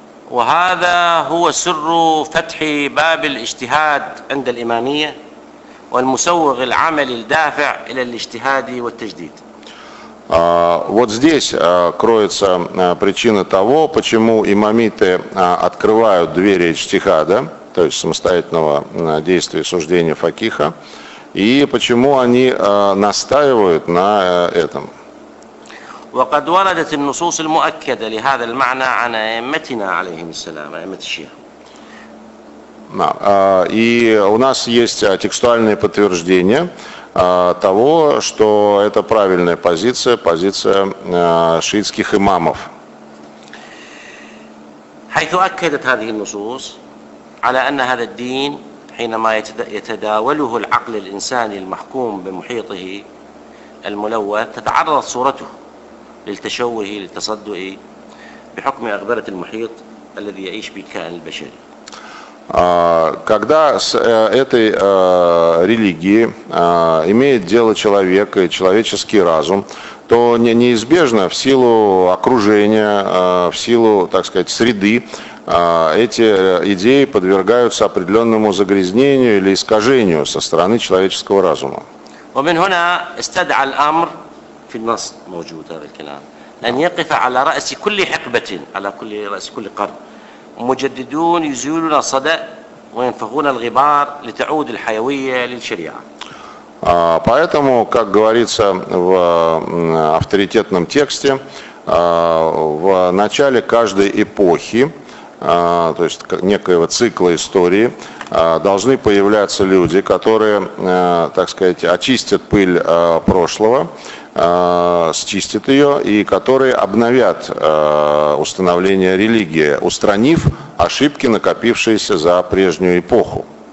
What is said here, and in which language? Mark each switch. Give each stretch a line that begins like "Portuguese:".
Arabic: وهذا هو سر فتح باب الاجتهاد عند الإمامية والمسوغ العمل الدافع إلى الاجتهاد والتجديد.
Russian: Вот здесь кроется причина того, почему имамиты открывают двери иджтихада, то есть самостоятельного действия суждения факиха, и почему они настаивают на этом.
Arabic: وقد وردت النصوص المؤكدة لهذا المعنى عن أئمتنا عليهم السلام أئمة الشيعة. نعم.
Russian: И у нас есть текстуальные подтверждения того, что это правильная позиция, позиция шиитских имамов.
Arabic: حيث أكدت هذه النصوص على أن هذا الدين حينما يتداوله العقل الإنساني المحكوم بمحيطه الملوث تتعرض صورته. للتشوه للتصدع بحكم أغبرة المحيط الذي يعيش به الكائن البشري.
Russian: Когда с этой религией имеет дело человек и человеческий разум, то неизбежно в силу окружения, в силу, так сказать, среды, эти идеи подвергаются определенному загрязнению или искажению со стороны человеческого разума.
Arabic: ومن هنا استدعى الأمر في النص موجود هذا الكلام أن يقف على رأس كل حقبة على كل رأس كل قرن مجددون يزيلون الصدأ وينفخون الغبار لتعود الحيوية للشريعة.
Russian: Поэтому, как говорится в авторитетном тексте, в начале каждой эпохи, то есть некоего цикла истории, должны появляться люди, которые, так сказать, очистят пыль прошлого, счистят ее, и которые обновят установление религии, устранив ошибки, накопившиеся за прежнюю эпоху.